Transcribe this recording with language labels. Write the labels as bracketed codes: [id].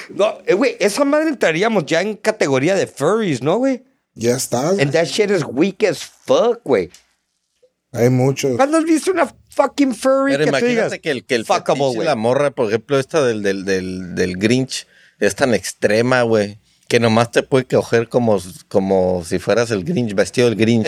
[es] No, güey, esa madre entraríamos ya en categoría de furries, ¿no, güey? Ya estás. [en] And that shit is weak as fuck, güey. [es] Hay muchos. ¿Cuándo has visto una [en] fucking [es] furry? Pero que imagínate tú digas, que el fuckable, fetiche, la morra, por ejemplo, esta del Grinch es tan extrema, güey. Que nomás te puede coger como si fueras el Grinch, vestido del Grinch.